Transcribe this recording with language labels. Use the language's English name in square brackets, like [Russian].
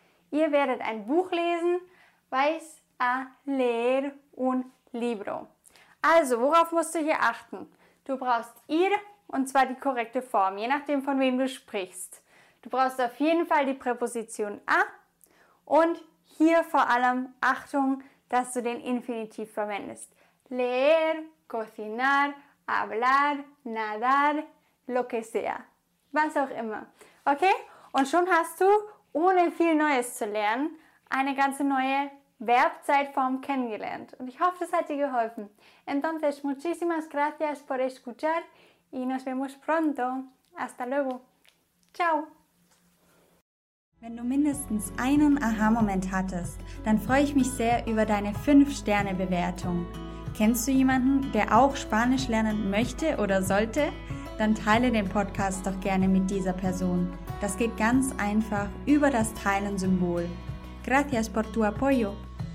[German] Ihr werdet ein Buch lesen. [Spanish] Vais a leer un libro. [German] Also, worauf musst du hier achten? Du brauchst ir und zwar die korrekte Form, je nachdem von wem du sprichst. Du brauchst auf jeden Fall die Präposition a und hier vor allem Achtung, dass du den Infinitiv verwendest. [Spanish] Leer, cocinar, hablar, nadar, lo que sea. [German] Was auch immer. Okay? Und schon hast du, ohne viel Neues zu lernen, eine ganze neue Verbzeitform kennengelernt. Und ich hoffe, das hat dir geholfen. [Spanish] Entonces, muchísimas gracias por escuchar y nos vemos pronto. Hasta luego. Ciao. [German] Wenn du mindestens einen Aha-Moment hattest, dann freue ich mich sehr über deine 5-Sterne-Bewertung. Kennst du jemanden, der auch Spanisch lernen möchte oder sollte? Dann teile den Podcast doch gerne mit dieser Person. Das geht ganz einfach über das Teilen-Symbol. [Spanish] Gracias por tu apoyo.